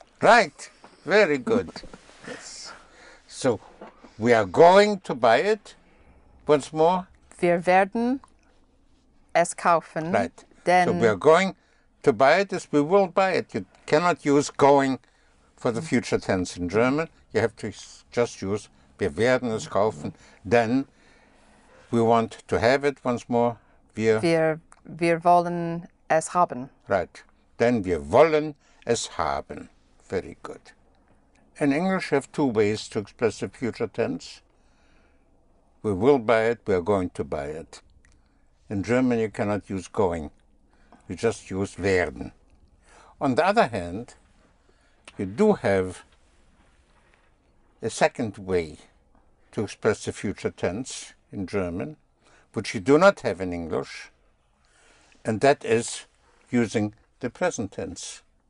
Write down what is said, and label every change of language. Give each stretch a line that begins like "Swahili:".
English: Right. Very good. Yes. So, we are going to buy it. Once more.
German: Wir werden es kaufen.
English: Right.
German: Denn
English: so, we are going to buy it. Yes, we will buy it. You cannot use going for the future tense in German. You have to just use
German: wir werden es kaufen.
English: Then we want to have it once more.
German: Wir wollen es haben.
English: Right.
German: Then wir wollen es haben.
English: Very good. In English, we have two ways to express the future tense. We will buy it. We are going to buy it. In German, you cannot use going. You just use werden. On the other hand, you do have a second way to express the future tense in German, which you do not have in English, and that is using the present tense.